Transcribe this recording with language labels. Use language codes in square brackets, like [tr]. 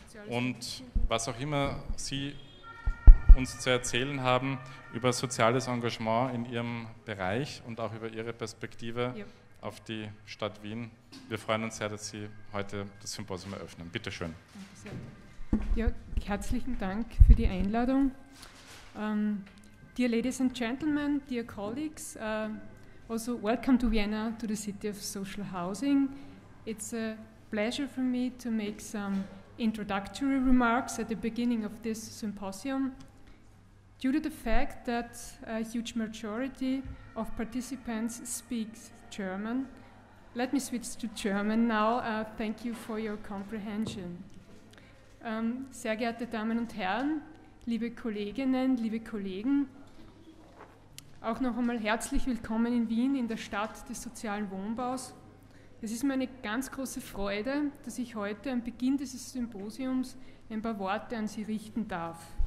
[de] Und was auch immer Sie uns zu erzählen haben über soziales Engagement in Ihrem Bereich und auch über Ihre Perspektive auf die Stadt Wien. Wir freuen uns sehr, dass Sie heute das Symposium eröffnen. Bitte schön. Ja, herzlichen Dank für die Einladung. [en] Dear ladies and gentlemen, dear colleagues, also welcome to Vienna, to the city of social housing. It's a pleasure for me to make some introductory remarks at the beginning of this symposium. Due to the fact that a huge majority of participants speaks German, let me switch to German now. Thank you for your comprehension. [de] Sehr geehrte Damen und Herren, liebe Kolleginnen, liebe Kollegen, auch noch einmal herzlich willkommen in Wien, in der Stadt des sozialen Wohnbaus. Es ist mir eine ganz große Freude, dass ich heute am Beginn dieses Symposiums ein paar Worte an Sie richten darf.